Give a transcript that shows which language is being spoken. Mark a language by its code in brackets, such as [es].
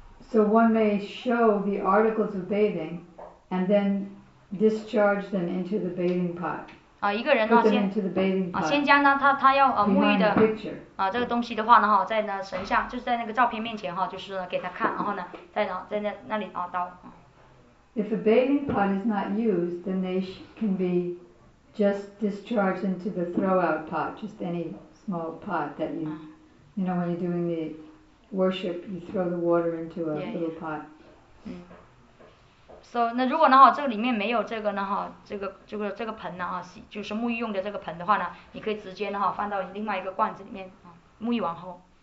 [en] So one may show the articles of bathing, and then discharge them into the bathing pot. [zh] 一个人呢先将呢他要沐浴的这个东西的话呢在呢神像就是在那个照片面前就是给他看然后呢在那里倒。 [en] If a bathing pot is not used, then they can be just discharged into the throw-out pot, just any small pot that you know when you're doing the worship, you throw the water into a little pot. [zh] So, 那如果呢这里面没有这个呢这个盆呢就是沐浴用的这个盆的话呢你可以直接呢放到另外一个罐子里面沐浴完后。